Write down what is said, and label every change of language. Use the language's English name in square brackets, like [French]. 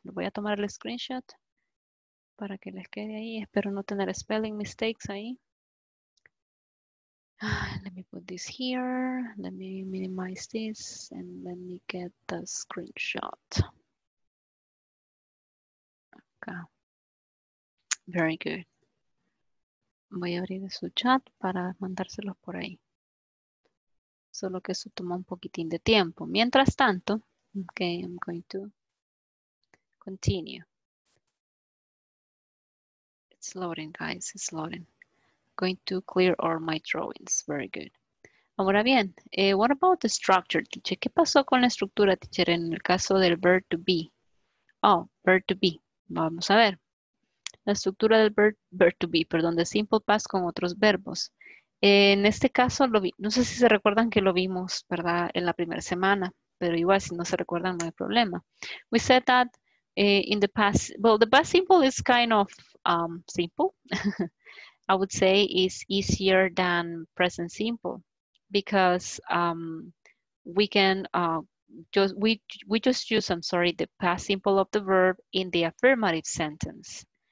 [Spanish] Voy a tomar el screenshot para que les quede ahí. Espero no tener [English] spelling mistakes [Spanish] ahí. [English] Let me put this here, let me minimize this, and let me get the screenshot. Okay. Very good. [Spanish] Voy a abrir su chat para mandárselos por ahí. Solo que eso toma un poquitín de tiempo. Mientras tanto, [English] okay, I'm going to continue. It's loading, guys, it's loading. Going to clear all my drawings. Very good. [Spanish] Ahora bien, [English] what about the structure, teacher? [Spanish] ¿Qué pasó con la estructura, teacher, en el caso del verb to be? Oh, verb to be. Vamos a ver. La estructura del verb to be, perdón, de simple past con otros verbos. En este caso, lo vi, no sé si se recuerdan que lo vimos, ¿verdad? En la primera semana, pero igual si no se recuerdan, no hay problema. [English] We said that in the past, well, the past simple is kind of simple. I would say it's easier than present simple because we can just use the past simple of the verb in the affirmative sentence.